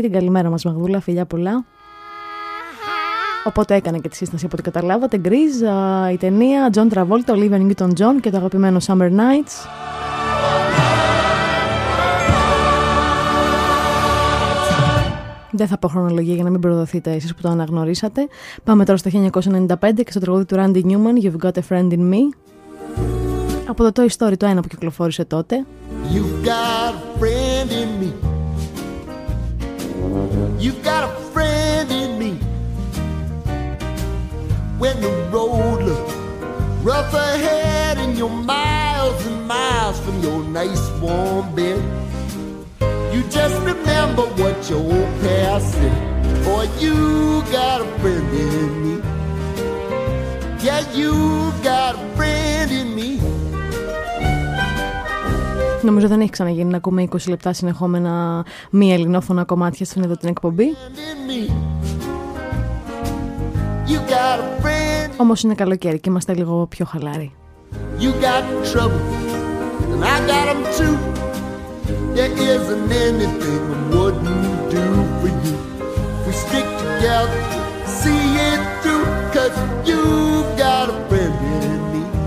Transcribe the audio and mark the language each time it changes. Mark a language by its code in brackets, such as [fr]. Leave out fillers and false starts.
[el] Την καλημέρα μας Μαγδούλα, φιλιά πολλά. Οπότε έκανε και τη σύσταση από ό,τι καταλάβατε. Γκρίζ, η ταινία, John Travolta, Olivia Newton-John και το αγαπημένο Summer Nights. Δεν θα πω χρονολογία για να μην προδοθείτε εσείς που το αναγνωρίσατε. Πάμε τώρα στο 1995 και στο τραγούδι του Randy Newman, You've Got a Friend in Me. από το Toy Story, το ένα που κυκλοφόρησε τότε. [en] You've got a friend in me. You've got a friend in me. When the road looks rough ahead and you're miles and miles from your nice warm bed, you just remember what your old past said. Boy, you got a friend in me. Yeah, you got a friend in me. [el] Νομίζω δεν έχει ξαναγίνει να ακούμε 20 λεπτά συνεχόμενα μη ελληνόφωνα κομμάτια στην εδώ την εκπομπή. Όμως είναι καλοκαίρι και είμαστε λίγο πιο χαλάροι. [en] You got trouble and I got them too. There isn't anything I wouldn't do for you. We stick together, see it through. Cause you've got a friend in me.